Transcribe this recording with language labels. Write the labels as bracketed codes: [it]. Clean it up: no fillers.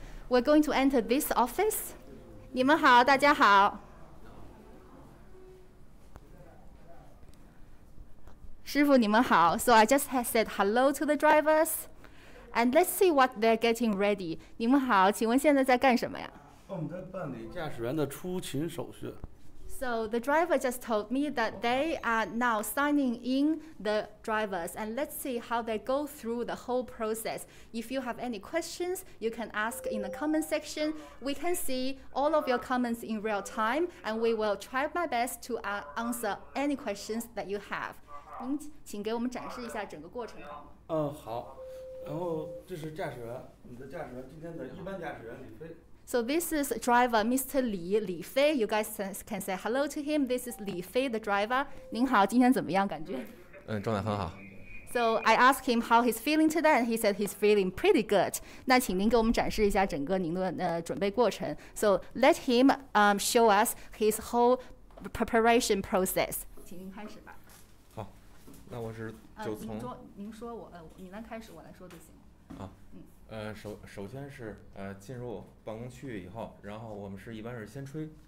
[en] We're going to enter this office. [zh] 你们好，大家好。师傅你们好。 [en] So I just said hello to the drivers, and let's see what they're getting ready. [zh] 你们好，请问现在在干什么呀？我们在办理驾驶员的出勤手续。 [en] So the driver just told me that they are now signing in the drivers, and let's see how they go through the whole process. If you have any questions, you can ask in the comment section. We can see all of your comments in real time, and we will try my best to answer any questions that you have. [zh] 您请给我们展示一下整个过程。嗯，好。然后这是驾驶员，你的驾驶员，今天的一般驾驶员李飞。 [en] So this is driver Mr. Li, 李飞。You guys can say hello to him. This is 李飞, the driver. [zh] 您好，今天怎么样感觉？嗯，状态很好。 [en] So I asked him how he's feeling today, and he said he's feeling pretty good. [zh] 那请您给我们展示一下整个您的准备过程。 [en] So let him show us his whole preparation process. [zh] 请您开始吧。那我是九层。您说我，你来开始，我来说就行了。啊，首先是进入办公区域以后，然后我们是一般是先吹。